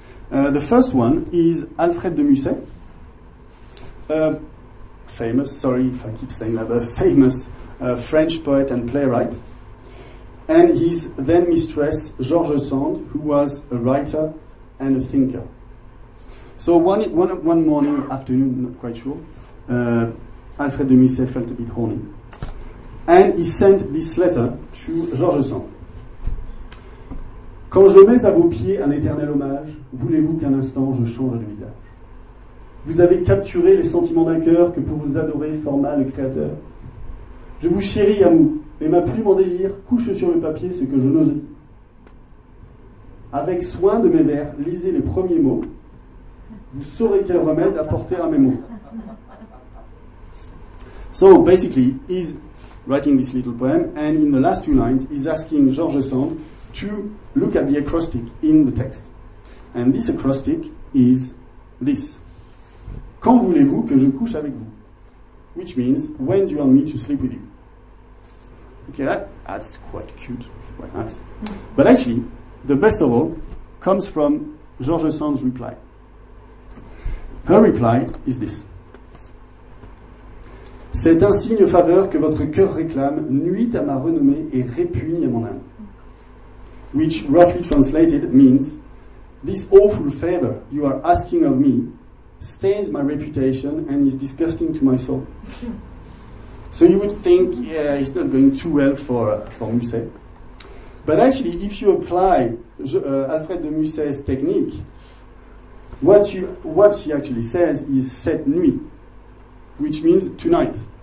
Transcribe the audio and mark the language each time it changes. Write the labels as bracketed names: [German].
[English] The first one is Alfred de Musset, famous French poet and playwright, and his then mistress, George Sand, who was a writer and a thinker. So one morning, afternoon, not quite sure, Alfred de Musset felt a bit horny, and he sent this letter to George Sand. [French] Quand je mets à vos pieds un éternel hommage, voulez-vous qu'un instant je change de visage? Vous avez capturé les sentiments d'un cœur que pour vous adorer forma le Créateur. Je vous chéris, amour, et ma plume en délire couche sur le papier ce que je n'ose dire. Avec soin de mes vers, lisez les premiers mots. Vous saurez quel remède apporter à mes mots. [English] So, basically, he's writing this little poem, and in the last two lines, he's asking George Sand to look at the acrostic in the text. And this acrostic is this. [French] Quand voulez-vous que je couche avec vous? [English] Which means, when do you want me to sleep with you? Okay, that's quite cute, quite nice. But actually, the best of all comes from George Sand's reply. Her reply is this. [French] C'est un signe faveur que votre cœur réclame, nuit à ma renommée et répugne à mon âme. [English] Which roughly translated means, this awful favor you are asking of me stains my reputation and is disgusting to my soul. So you would think, yeah, it's not going too well for Musset. But actually, if you apply Alfred de Musset's technique, what she actually says is [French] cette nuit, [English] which means tonight.